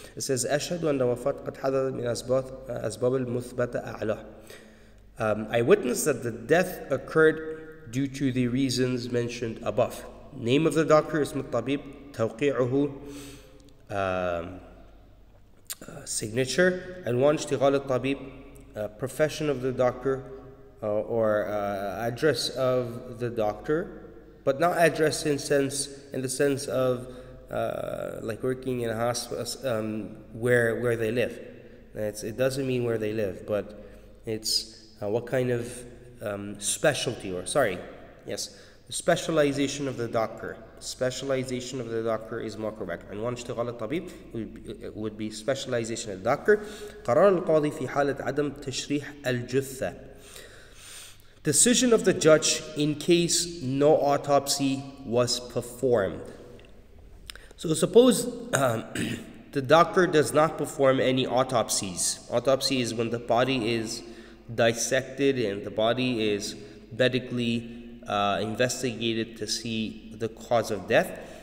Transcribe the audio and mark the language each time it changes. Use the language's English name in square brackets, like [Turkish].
[English] It says, [Arabic] أشهد أن وفاة قد حدث من أسباب المثبتة أعلاه. [English] I witness that the death occurred due to the reasons mentioned above. Name of the doctor, [Arabic] اسم الطبيب, توقيعه, [English] signature, [Arabic] عنوان اشتغال الطبيب, [English] profession of the doctor, or address of the doctor, but not address in the sense of working in a hospital where they live. It doesn't mean where they live, but it's what kind of specialty or sorry, yes, specialization of the doctor. Specialization of the doctor is more correct. And one [Arabic] اشتغال الطبيب [English] would be specialization of the doctor. [Arabic] قرار القاضي في حالة عدم تشريح الجثة. [English] Decision of the judge in case no autopsy was performed. So suppose the doctor does not perform any autopsies. Autopsy is when the body is dissected and the body is medically investigated to see the cause of death.